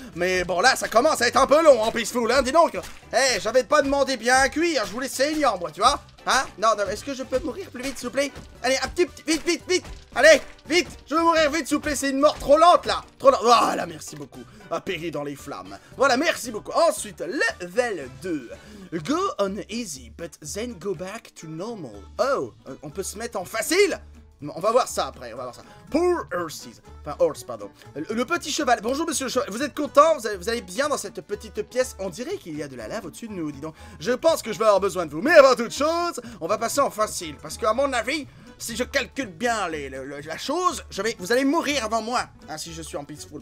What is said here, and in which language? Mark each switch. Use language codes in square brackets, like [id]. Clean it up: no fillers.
[fr] Mais bon, là, ça commence à être un peu long, hein, peaceful, hein, dis donc. Eh, j'avais pas demandé bien à cuire, je voulais saignant, moi, tu vois. Hein, non, est-ce que je peux mourir plus vite, s'il vous plaît. Allez, un petit, vite. Allez, vite, je veux mourir vite, s'il vous plaît, c'est une mort trop lente, là. Trop lente, voilà, merci beaucoup. A péri dans les flammes. Voilà, merci beaucoup. Ensuite, level 2. [en] Go on easy, but then go back to normal. [fr] Oh, on peut se mettre en facile. On va voir ça après, on va voir ça. [en] Poor horses, [fr] enfin horse, pardon. Le petit cheval, bonjour monsieur le cheval, vous êtes content, vous allez bien dans cette petite pièce. On dirait qu'il y a de la lave au-dessus de nous, dis donc. Je pense que je vais avoir besoin de vous, mais avant toute chose, on va passer en facile, parce qu'à mon avis, si je calcule bien la chose, vous allez mourir avant moi, hein, si je suis en peaceful.